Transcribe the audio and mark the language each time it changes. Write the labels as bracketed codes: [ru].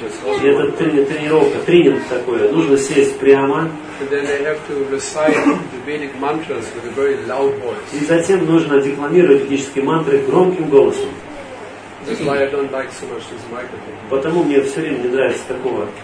[ru] Это тренировка, тренинг такой. Нужно сесть прямо. [en] And then they have to recite the Vedic mantras with a very loud voice. [ru] И затем нужно декламировать ведические мантры громким голосом. [en] That's why I don't like so much this microphone. [ru] Потому мне все время не нравится такого